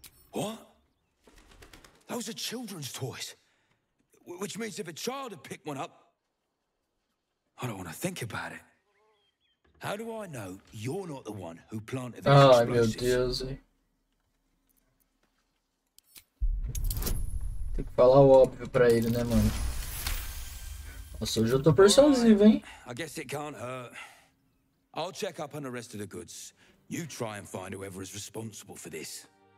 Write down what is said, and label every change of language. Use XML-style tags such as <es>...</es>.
<en>What? Those are children's toys. Which means if a child had picked one up, I don't want to think about it. How do I know you're not the one who planted those explosives?</en> <pt>Ai, meu Deus. Tem que falar o óbvio pra ele, né, mano? Nossa, hoje eu tô persuasivo, hein?</pt> <en>I guess it can't hurt. I'll check up on the rest of the goods. You try and find whoever is responsible for this.</en>